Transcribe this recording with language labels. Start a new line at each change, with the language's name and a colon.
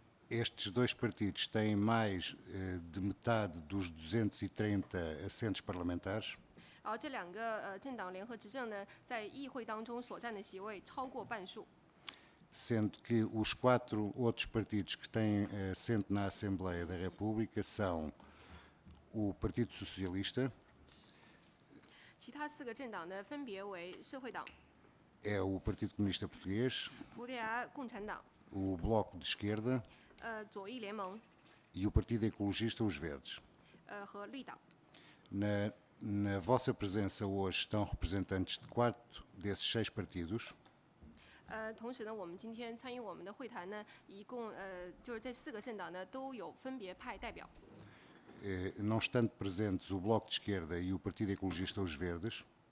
Portuguese: Estes 2 partidos têm mais de metade dos 230 assentos parlamentares.
Chinese: 而这两个政党联合执政呢，在议会当中所占的席位超过半数。
Portuguese: Sendo que os 4 outros partidos que têm assento na Assembleia da República são o Partido Socialista,
Chinese: 其他4个政党呢，分别为社会党，
Portuguese: é o Partido Comunista Português,
Chinese: 葡萄牙共产党，
Portuguese: o Bloco de Esquerda,
Chinese: 左翼联盟，
Portuguese: e o Partido Ecologista, os Verdes,
Chinese: 和绿党。
Portuguese: Na vossa presença hoje estão representantes de 4 desses 6 partidos.
Chinese: 同时呢，我们今天参与我们的会谈呢，一共就是这4个政党呢都有分别派代表。
Portuguese: Não estando presentes o Bloco de Esquerda e o Partido Ecologista, os Verdes.